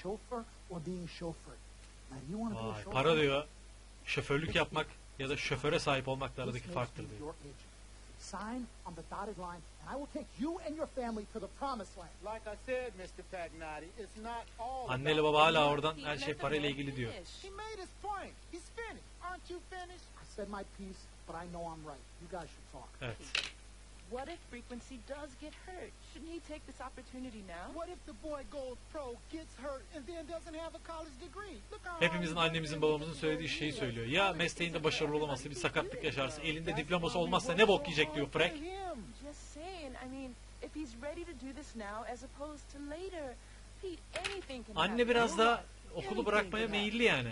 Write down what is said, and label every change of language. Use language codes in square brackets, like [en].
[tr] Vay, para diyor, şoförlük yapmak ya da şoföre sahip olmakla aradaki farktır diyor. [en] Sign on the dotted line, and I will take you and your family to the promised land. Like I said, Mr. Pagnotti, it's not all. [tr] Anneli baba hala oradan her şey parayla ilgili diyor. [en] He made his point. He's finished. Aren't you finished? I said my piece, but I know I'm right. You guys should talk. [tr] Evet. [en] What if Frequency does get hurt? Shouldn't he take this opportunity now? What if the boy goes pro, gets hurt, and then doesn't have a college degree? Look how. [tr] Hepimizin, annemizin, babamızın söylediği şeyi söylüyor. Ya mesleğinde başarılı olamazsa, bir sakatlık yaşarsa, elinde diploması olmazsa ne bok yiyecek diyor Frank. [en] Just saying, I mean, if he's ready to do this now as opposed to later, Pete, anything can happen. [tr] Anne biraz daha okulu bırakmaya meyilli yani.